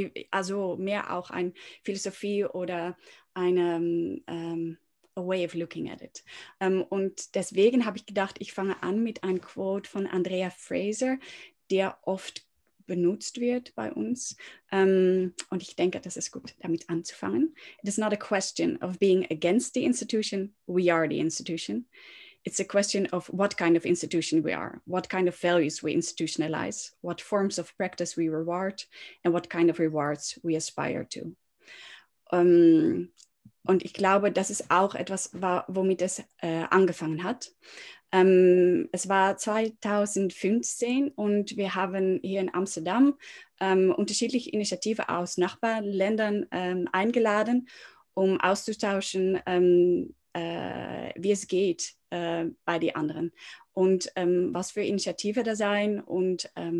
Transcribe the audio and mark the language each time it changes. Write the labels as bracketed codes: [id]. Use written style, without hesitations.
[de] also mehr auch eine Philosophie oder eine [en] a way of looking at it. [de] Und deswegen habe ich gedacht, ich fange an mit einem Quote von Andrea Fraser, der oft benutzt wird bei uns. Und ich denke, das ist gut, damit anzufangen. [en] It is not a question of being against the institution. We are the institution. It's a question of what kind of institution we are, what kind of values we institutionalize, what forms of practice we reward and what kind of rewards we aspire to. [de] Und ich glaube, das ist auch etwas, womit es angefangen hat. Es war 2015 und wir haben hier in Amsterdam unterschiedliche Initiativen aus Nachbarländern eingeladen, um auszutauschen, wie es geht bei den anderen und was für Initiative da sein und